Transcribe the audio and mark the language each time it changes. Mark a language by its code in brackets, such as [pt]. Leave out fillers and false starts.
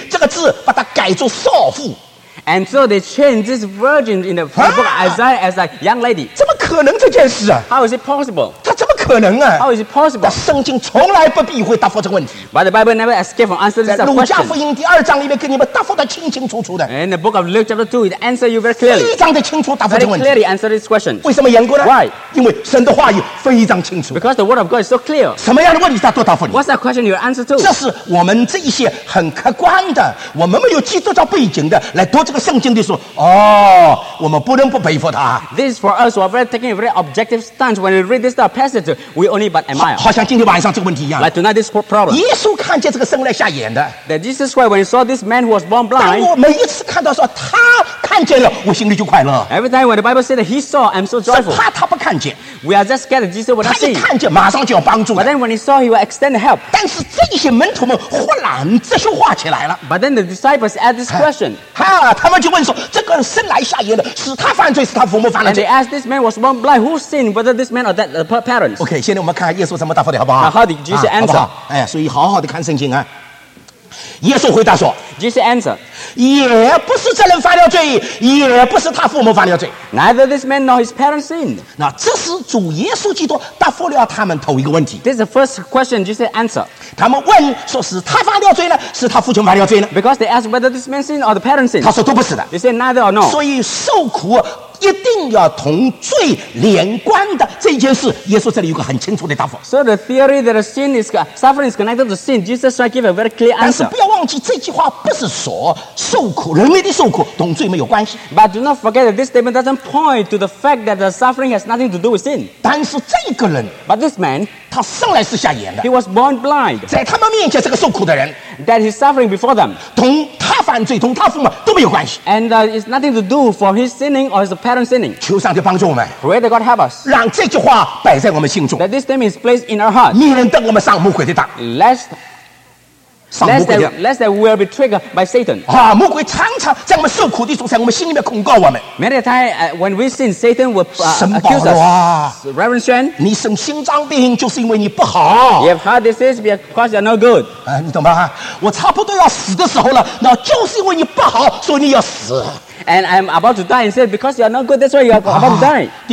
[zh] 神是把这个以赛亚书的童女这个字把它改作少妇。 [en] And so they change this virgin in the book of Isaiah as a young lady. [zh] 怎么可能这件事啊? [en] How is it possible? [zh] 可能啊, [en] How is it possible? [zh] 但圣经从来不避讳答复这个问题。 [en] But the Bible never escaped from answering this question. [zh] 在路加福音第二章里面给你们答复得清清楚楚的。 [en] In the book of Luke chapter 2, it answers you very clearly. [zh] 非常的清楚答复这个问题。 [en] Very clearly answer this question. [zh] 为什么缘故呢? [en] Why? [zh] 因为神的话语非常清楚。 [en] Because the word of God is so clear. [zh] 什么样的问题他都答复你。 [en] What's that question you answer to? [zh] 这是我们这一些很客观的, 我们没有基督教背景的来读这个圣经的时候, 我们不能不佩服他。 [en] This is for us who are very taking a very objective stance when we read this passage. We only but admire. [zh] 好像今天晚上这个问题一样。 [en] Like tonight this problem. [zh] 耶稣看见这个生来瞎眼的。 [en] That Jesus Christ, when he saw this man who was born blind. [zh] 当我每一次看到说他看见了，我心里就快乐。 [en] Every time when the Bible said that he saw, I'm so joyful. [zh] 是怕他不看见。 [en] We are just scared that Jesus would not see. [zh] 他一看见马上就要帮助。 [en] But then when he saw, he will extend help. [zh] 但是这些门徒们忽然这些话起来了。 [en] But then the disciples asked this question. [zh] 他们就问说，这个生来瞎眼的，是他犯罪，是他父母犯了罪。 [en] And they asked this man was born blind, who sinned, whether this man or that the parents. [zh] OK, 现在我们看看耶稣怎么答复的，好不好？ [en] Now, how did Jesus answer? [zh] 好不好？哎，所以好好的看圣经啊。耶稣回答说， [en] Jesus answer， [zh] 也不是这人犯了罪，也不是他父母犯了罪。 [en] Neither this man nor his parents sinned. [zh] 那这是主耶稣基督答复了他们头一个问题。 [en] This is the first question Jesus answer. [zh] 他们问说是他犯了罪呢，是他父亲犯了罪呢？ [en] Because they ask whether this man sinned or the parents sinned. [zh] 他说都不是的。 [en] They say neither or no. [zh] 所以受苦 一定要同罪连关的这件事，耶稣这里有个很清楚的答复。 [en] So the theory that a sin is suffering is connected to sin, Jesus Christ gave a very clear answer. [zh] 但是不要忘记这句话不是说受苦人类的受苦同罪没有关系。 [en] But do not forget that this statement doesn't point to the fact that the suffering has nothing to do with sin. [zh] 但是这个人， [en] But this man， [zh] 他生来是瞎眼的。 [en] He was born blind. [zh] 在他们面前这个受苦的人， [en] That he's suffering before them， [zh] 同他犯罪同他父母都没有关系。 [en] And it's nothing to do for his sinning or his parents sinning. [zh] 求上帝帮助我们， [en] Pray that God help us， [zh] 让这句话摆在我们心中， [en] That this statement is placed in our hearts， [zh] 免得我们上魔鬼的当。 [en] Lest that we will be triggered by Satan. [zh] 魔鬼常常在我们受苦的时候，在我们心里面控告我们。 [en] Many a time when we sin, Satan will accuse us. [zh] 神保罗啊，Reverend [en] Xuan， [zh] 你生心脏病就是因为你不好。You [en] have heard this is because you're no good. [zh] 你懂吧？我差不多要死的时候了，那就是因为你不好，所以你要死。 [en] And I'm about to die, and said, because you are not good, that's why you are about to die.